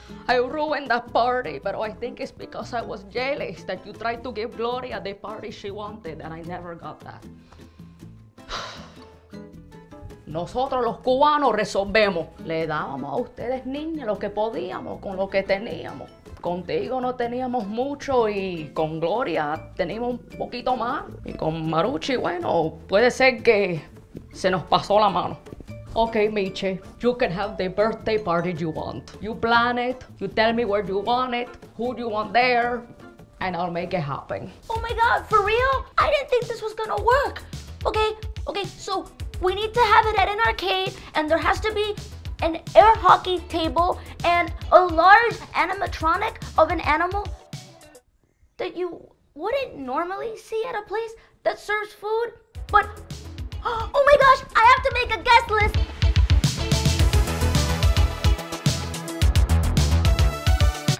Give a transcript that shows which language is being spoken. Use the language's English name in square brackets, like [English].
[English] I ruined that party, but I think it's because I was jealous that you tried to give Gloria the party she wanted, and I never got that. [Spanish] Nosotros los cubanos resolvemos. Le dábamos a ustedes, niñas, lo que podíamos con lo que teníamos. Contigo no teníamos mucho y con Gloria teníamos un poquito más. Y con Maruchi, bueno, puede ser que se nos pasó la mano. [English] Okay, Miche, you can have the birthday party you want. You plan it, you tell me where you want it, who you want there, and I'll make it happen. Oh my God, for real? I didn't think this was gonna work. Okay, okay, so we need to have it at an arcade, and there has to be an air hockey table and a large animatronic of an animal that you wouldn't normally see at a place that serves food, but oh my gosh, I have to make a guest list.